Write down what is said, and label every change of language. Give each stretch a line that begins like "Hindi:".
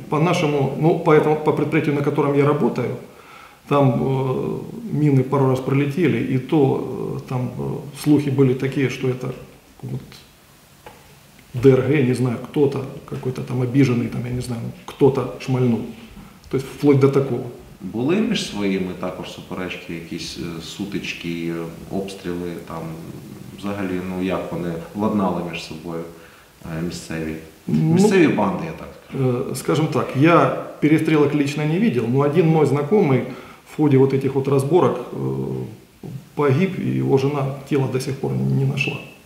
Russian: По нашему, ну, поэтому по предприятию, на котором я работаю, там мины пару раз пролетели, и то там слухи были такие, что это вот ДРГ, не знаю, кто-то какой-то там обиженный, там, я не знаю, кто-то шмальнул. То есть вплоть до такого.
Ukrainian: Були між своїми також суперечки, якісь сутички, обстріли там, взагалі, ну як вони ладнали між собою місцеві? Місцеві банди, я так скажу.
Russian: Скажем так, я перестрілок лично не видел, но один мой знакомый
Ukrainian: в ході
Russian: вот этих вот разборок погиб,
Ukrainian: і його жена тіла
Russian: до сих пор не нашла.